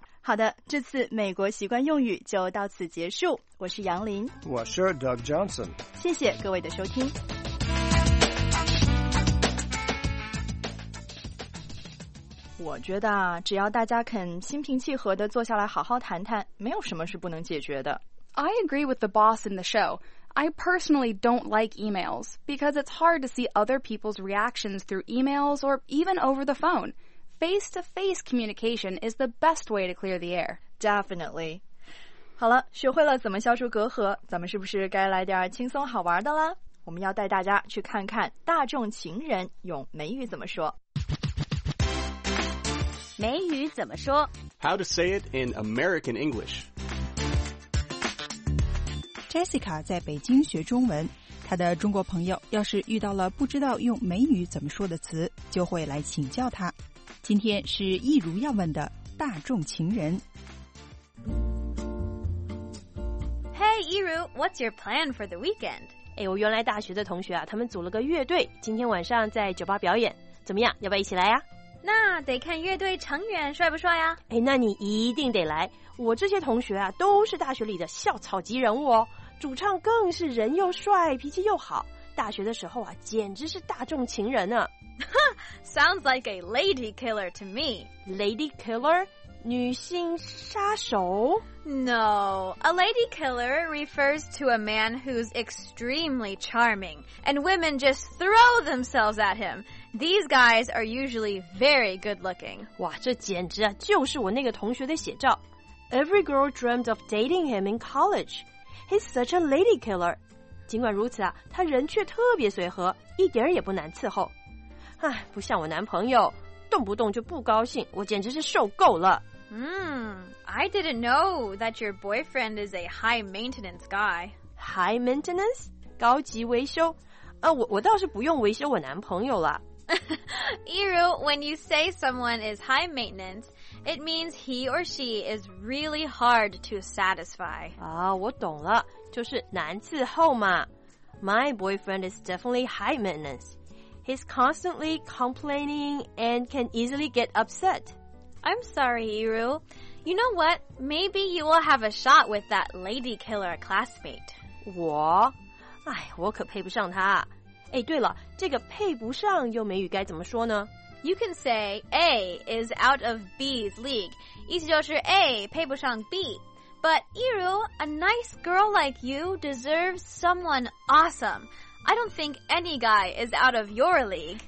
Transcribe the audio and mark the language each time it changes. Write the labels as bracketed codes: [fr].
[zh] 好的，这次美国习惯用语就到此结束。我是杨林，我是 Doug Johnson，谢谢各位的收听。我觉得啊，只要大家肯心平气和地坐下来好好谈谈，没有什么是不能解决的。 [en] I agree with the boss in the show. I personally don't like emails because it's hard to see other people's reactions through emails or even over the phone. Face-to-face communication is the best way to clear the air. Definitely. [zh] 好了，学会了怎么消除隔阂，咱们是不是该来点轻松好玩的啦？我们要带大家去看看大众情人用美语怎么说。美语怎么说？ [en] How to say it in American English. [zh] Jessica 在北京学中文，她的中国朋友要是遇到了不知道用美语怎么说的词，就会来请教她。今天是一如要问的大众情人。 [en] Hey, 一如 what's your plan for the weekend? [zh] 哎，我原来大学的同学啊，他们组了个乐队，今天晚上在酒吧表演，怎么样？要不要一起来呀？那得看乐队成员帅不帅呀。哎，那你一定得来，我这些同学啊都是大学里的校草级人物哦，主唱更是人又帅脾气又好，大学的时候啊简直是大众情人啊。 [en] Sounds like a lady killer to me. [zh] Lady killer? 女性杀手？ [en] No, a lady killer refers to a man who's extremely charming and women just throw themselves at himThese guys are usually very good-looking. [zh] 哇，这简直啊，就是我那个同学的写照。 [en] Every girl dreamed of dating him in college. He's such a lady killer. [zh] 尽管如此啊，他人却特别随和，一点也不难伺候。唉，不像我男朋友，动不动就不高兴，我简直是受够了。 [en] I didn't know that your boyfriend is a high maintenance guy. [zh] High maintenance? 高级维修？我倒是不用维修我男朋友了。 [en] Iru, when you say someone is high maintenance, it means he or she is really hard to satisfy. [zh] 啊，我懂了，就是难伺候嘛。 [en] My boyfriend is definitely high maintenance. He's constantly complaining and can easily get upset. I'm sorry, Iru. You know what? Maybe you will have a shot with that lady killer classmate. [zh] 我？哎，我可配不上他。哎，对了，这个配不上用美语该怎么说呢？ [en] You can say A is out of B's league. [zh] 意思就是 A 配不上 B. [en] But Iru, a nice girl like you deserves someone awesome. I don't think any guy is out of your league.